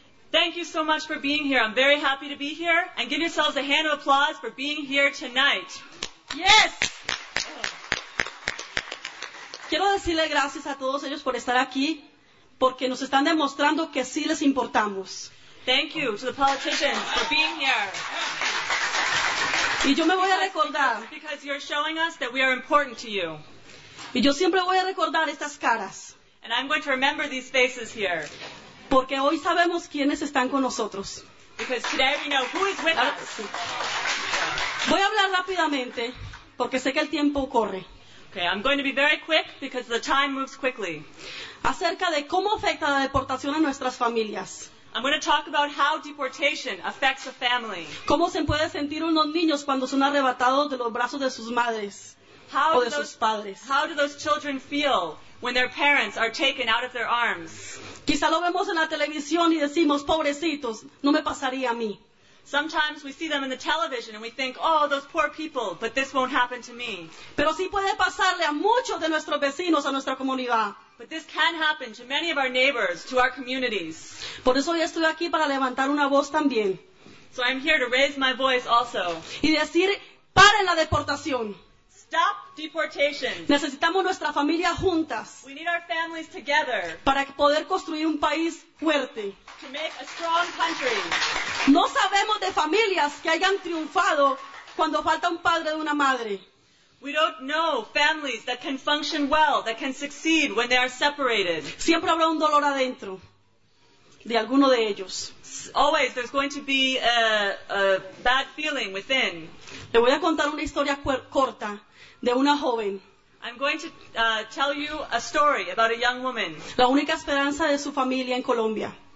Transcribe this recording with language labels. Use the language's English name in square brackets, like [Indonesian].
[English] Thank you so much for being here. I'm very happy to be here. And give yourselves a hand of applause for being here tonight. Yes! [Spanish] Quiero decirle gracias a todos ellos por estar aquí, porque nos están demostrando que sí les importamos. [English] Thank you to the politicians for being here. [Spanish] Y yo me voy a recordar. [English] Because you're showing us that we are important to you. [Spanish] Y yo siempre voy a recordar estas caras. [English] And I'm going to remember these faces here. [Spanish] Porque hoy sabemos quiénes están con nosotros. [English] Because today we know who is with us. [Spanish] Voy a hablar rápidamente, porque sé que el tiempo corre. [English] Okay, I'm going to be very quick because the time moves quickly. [Spanish] Acerca de cómo afecta la deportación a nuestras familias. [English] I'm going to talk about how deportation affects a family. [Spanish] ¿Cómo se puede sentir unos niños cuando son arrebatados de los brazos de sus madres o de sus padres? [English] How do those children feel when their parents are taken out of their arms? [Spanish] Quizá lo vemos en la televisión y decimos, pobrecitos, no me pasaría a mí. [English] Sometimes we see them in the television and we think, oh, those poor people, but this won't happen to me. [Spanish] Pero sí puede pasarle a muchos de nuestros vecinos, a nuestra comunidad. [English] But this can happen to many of our neighbors, to our communities. [Spanish] Por eso yo estoy aquí para levantar una voz también. [English] So I'm here to raise my voice also. [Spanish] Y decir, paren la deportación. [English] Stop deportation. [Spanish] Necesitamos nuestra familia juntas. [English] We need our families together. [Spanish] Para poder construir un país fuerte. [English] To make a strong country. [Spanish] No sabemos de familias que hayan triunfado cuando falta un padre o una madre. [English] We don't know families that can function well, that can succeed when they are separated. [Spanish] Siempre habrá un dolor adentro de alguno de ellos. [English] Always there's going to be a bad feeling within. [Spanish] Le voy a contar una historia corta de una joven. [English] I'm going to tell you a story about a young woman. [Spanish] La única esperanza de su familia en Colombia.